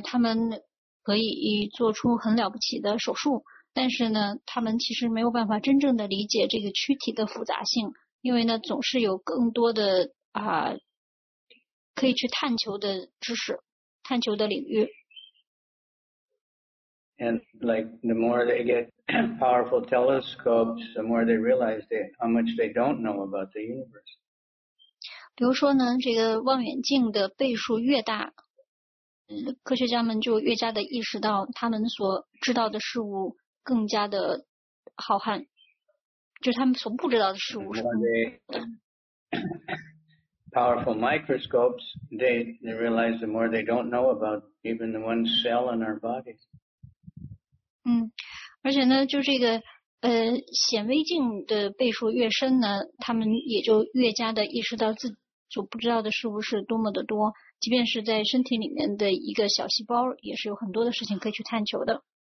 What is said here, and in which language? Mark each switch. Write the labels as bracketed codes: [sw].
[zh] 他们可以做出很了不起的手术，但是呢，他们其实没有办法真正的理解这个躯体的复杂性，因为呢，总是有更多的可以去探求的知识，探求的领域。 [en] And like the more they get powerful telescopes, the more they realize how much they don't know about the universe. [zh] 比如说呢，这个望远镜的倍数越大。科学家们就越加的意识到他们所知道的事物更加的浩瀚，就他们所不知道的事物是更大。 [en] Powerful microscopes, they realize the more they don't know about even the one cell in our body. [zh] 嗯，而且呢，就这个显微镜的倍数越深呢，他们也就越加的意识到自己所不知道的事物是多么的多。即便是在身体里面的一个小细胞，也是有很多的事情可以去探求的。